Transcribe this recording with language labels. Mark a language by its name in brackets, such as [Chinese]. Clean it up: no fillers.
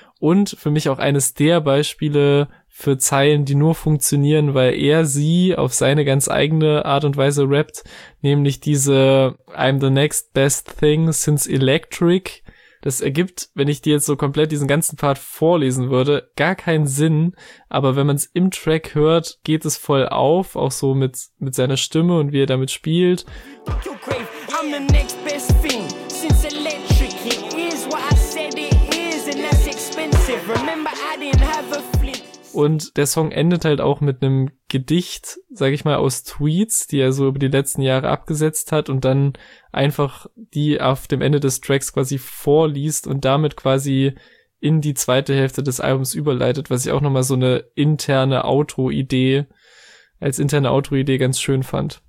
[German] Und für mich auch eines der Beispiele für Zeilen, die nur funktionieren, weil er sie auf seine ganz eigene Art und Weise rappt, nämlich diese [English] I'm the next best thing since electric. [German] Das ergibt, wenn ich dir jetzt so komplett diesen ganzen Part vorlesen würde, gar keinen Sinn, aber wenn man es im Track hört, geht es voll auf, auch so mit seiner Stimme und wie er damit spielt. [English] I'm the next best thing since electric. It is what I said it is, and that's expensive. Remember, I didn't have a flip. [German] Und der Song endet halt auch mit einem Gedicht, sag ich mal, aus Tweets, die er so über die letzten Jahre abgesetzt hat und dann einfach die auf dem Ende des Tracks quasi vorliest und damit quasi in die zweite Hälfte des Albums überleitet, was ich auch nochmal so eine interne Outro-Idee, als interne Outro-Idee ganz schön fand.